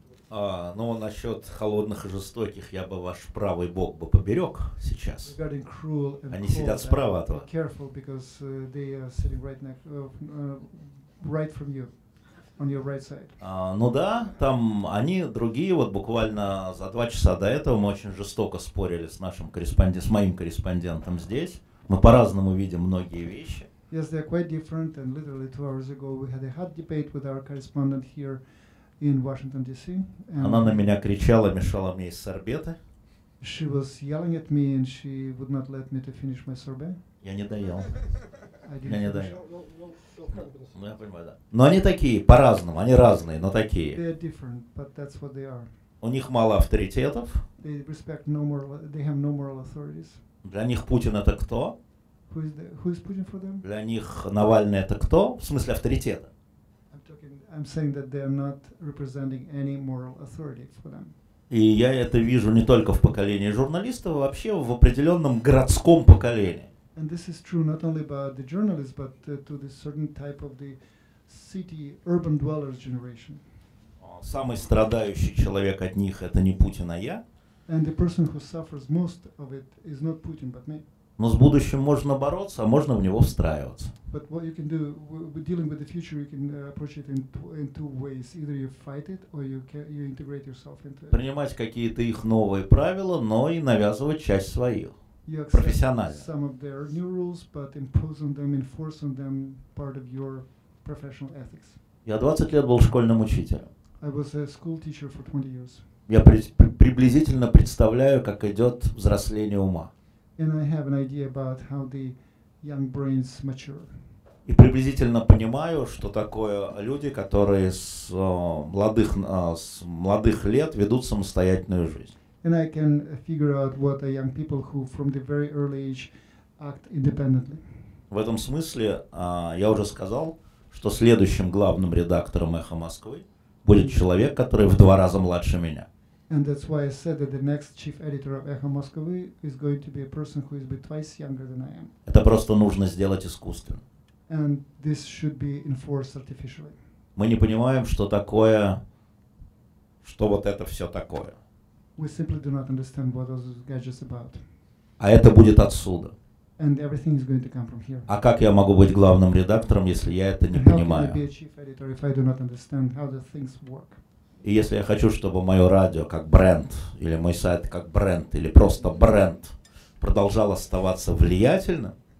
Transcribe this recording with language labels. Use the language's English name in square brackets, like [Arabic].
[Russian] Ну, насчет холодных и жестоких, я бы ваш правый бок бы поберег сейчас. [English] Regarding cruel and [Russian] они [English] cold, [Russian] сидят справа от вас. [English] Careful, because they are sitting right next, right from you, on your right side. [Russian] Ну да, там они другие, вот буквально за два часа до этого мы очень жестоко спорили с нашим корреспондентом, с моим корреспондентом здесь. Мы по-разному видим многие вещи. [English] Yes, they are quite different, and literally 2 hours ago we had a hot debate with our correspondent here. In Washington D.C. [Russian] Она на меня кричала, мешала мне из сорбета. [English] She was yelling at me and she would not let me to finish my sorbet. [Russian] Я не доел. Я не доел. Ну я понимаю, да. Но они такие, по-разному, они разные, но такие. [English] They are different, but that's what they are. [Russian] У них мало авторитетов. [English] They respect no moral, they have no moral authorities. [Russian] Для них Путин это кто? [English] Who is Putin for them? [Russian] Для них Навальный это кто? В смысле авторитета? [English] I'm saying that they are not representing any moral authority for them. [Russian] И я это вижу не только в поколении журналистов, а вообще в определенном городском поколении. [English] And this is true not only about the journalists, but to the certain type of the city urban dwellers generation. [Russian] Самый страдающий человек от них это не Путин, а я. [English] And the person who suffers most of it is not Putin, but me. [Russian] Но с будущим можно бороться, а можно в него встраиваться. [English] But what you can do, we're dealing with the future, you can approach it in two ways. Either you fight it, or you integrate yourself into it. [Russian] Принимать какие-то их новые правила, но и навязывать часть своих. профессионально. [English] Some of their new rules, but imposing them, enforcing them part of your professional ethics. [Russian] Я 20 лет был школьным учителем. [English] I was a school teacher for 20 years. [Russian] Я приблизительно представляю, как идет взросление ума. [English] And I have an idea about how the young brains mature. [Russian] И приблизительно понимаю, что такое люди, которые с молодых лет ведут самостоятельную жизнь. [English] And I can figure out what are young people who from the very early age act independently. [Russian] В этом смысле я уже сказал, что следующим главным редактором «Эхо Москвы» будет человек, который в два раза младше меня. [English] And that's why I said that the next chief editor of Echo Moscovy is going to be a person who is be twice younger than I am. [Russian] Это просто нужно сделать искусственно. [English] And this should be enforced artificially. [Russian] Мы не понимаем, что такое, что вот это все такое. [English] We simply do not understand what those gadgets about. [Russian] А это будет отсюда. [English] And everything is going to come from here. [Russian] А как я могу быть главным редактором, если я это не понимаю? [English] How can I be a chief editor if I do not understand how the things work? [Russian] И если я хочу, чтобы мое радио как бренд, или мой сайт как бренд, или просто бренд, продолжал оставаться влиятельным,